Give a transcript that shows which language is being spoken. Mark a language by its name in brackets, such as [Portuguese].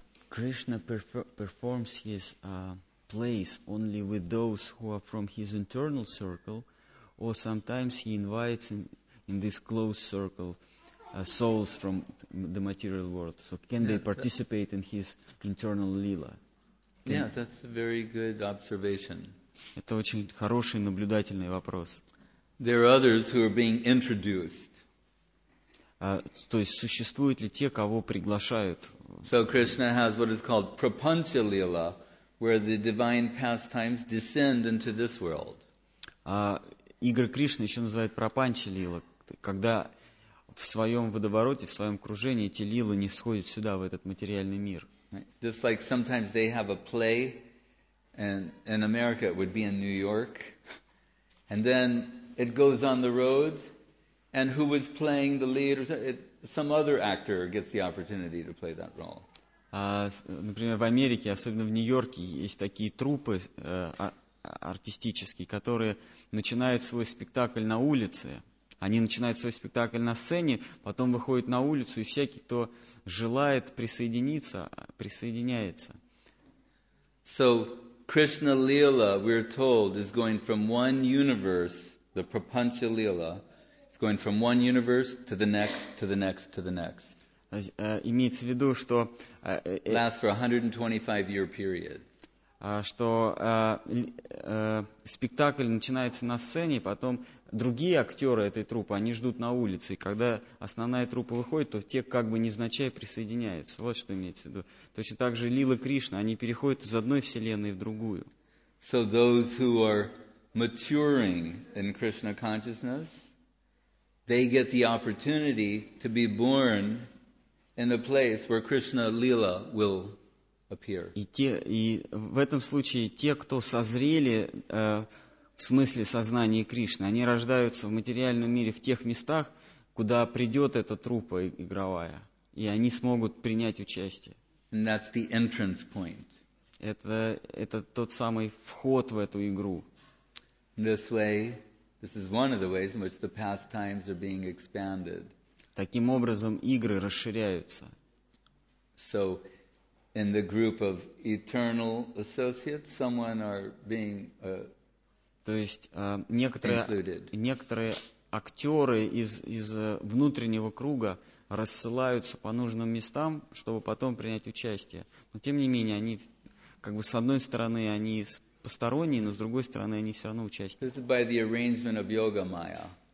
[English] Krishna performs his plays only with those who are from his internal circle, or sometimes he invites in this closed circle souls from the material world. So can they participate in his internal lila? Yeah, that's a very good observation. [Russian] Это очень хороший наблюдательный вопрос. [English] There are others who are being introduced. [Russian] То есть существуют ли те, кого приглашают? [English] So Krishna has what is called prapancha lila, where the divine pastimes descend into this world. [Russian] Игры Кришны еще называют прапанча лила, когда в своем водовороте, в своем кружении эти лилы не сходят сюда, в этот материальный мир. [English] Just like sometimes they have a play, and in America it would be in New York, and then it goes on the road, and who was playing the lead, or some other actor gets the opportunity to play that role. [Russian] Например, в Америке, особенно в Нью-Йорке, есть такие труппы артистические, которые начинают свой спектакль на улице. Они начинают свой спектакль на сцене, потом выходят на улицу, и всякий, кто желает присоединиться, присоединяется. [English] So, Krishna Lila, we're told, is going from one universe, the Prapancha Lila, is going from one universe to the next, to the next, to the next. [Russian] Имеется в виду, что [English] last for 125 year period. [Russian] Что спектакль начинается на сцене, потом другие актеры этой труппы, они ждут на улице, и когда основная труппа выходит, то те как бы незначай присоединяются. Вот что имеется в виду. Точно так же лила Кришна, они переходят из одной вселенной в другую. [English] So those who are maturing in Krishna consciousness, they get the opportunity to be born in the place where Krishna lila will appear. [Russian] И в этом случае те, кто созрели в смысле сознания Кришны, они рождаются в материальном мире в тех местах, куда придет эта труппа игровая, и они смогут принять участие. [English] And that's the entrance point. [Russian] Это тот самый вход в эту игру. [English] This way, this is one of the ways in which the pastimes are being expanded. [Russian] Таким образом, игры расширяются. [English] So, in the group of eternal associates, someone are being [Russian] то есть, некоторые актеры из внутреннего круга рассылаются по нужным местам, чтобы потом принять участие. Но, тем не менее, они, как бы, с одной стороны, они посторонние, но с другой стороны, они все равно участники. [English] This is by the arrangement of yoga maya.